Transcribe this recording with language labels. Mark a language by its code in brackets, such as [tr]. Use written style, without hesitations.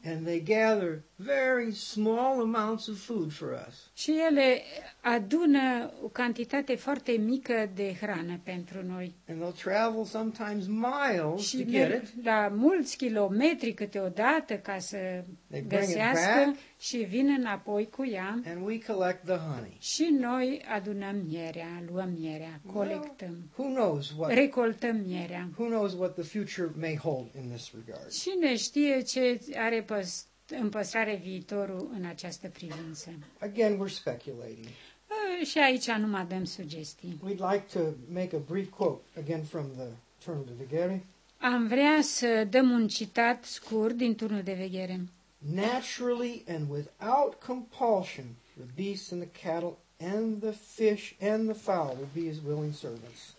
[en] And they gather very small amounts of food for us. [ro] Și ele adună o cantitate foarte mică de hrană pentru noi. [en] And they'll travel sometimes miles to get it. [ro] La mulți kilometri câteodată ca să găsească și vin înapoi cu ea. [en] And we collect the honey. [ro] Și noi adunăm mierea, luăm mierea, colectăm. [en] Well, who knows what, [ro] recoltăm mierea. [en] Who knows what the future may hold in this regard. [ro] Cine știe ce are împăstrare viitorul în această privință. [en] Again, we're speculating. [ro] Și aici numai dăm sugestii. [en] We'd like to make a brief quote again from the Turnul de Veghere. [ro] Am vrea să dăm un citat scurt din Turnul de Veghere. [en] Naturally and without compulsion, the beasts and the cattle and the fish and the fowl will be his willing servants.